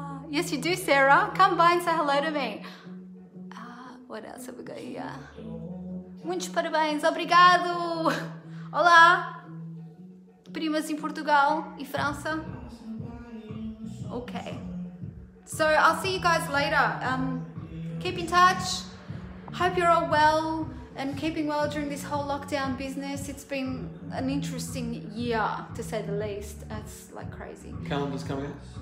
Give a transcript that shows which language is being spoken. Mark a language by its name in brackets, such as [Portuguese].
[English] yes, you do, Sarah. Come by and say hello to me. What else have we got here? [Portuguese] Muito parabéns, obrigado. Olá. Primas em Portugal e França. [English] Okay. So I'll see you guys later. Keep in touch. Hope you're all well and keeping well during this whole lockdown business. It's been an interesting year, to say the least. It's like crazy. Calendar's coming.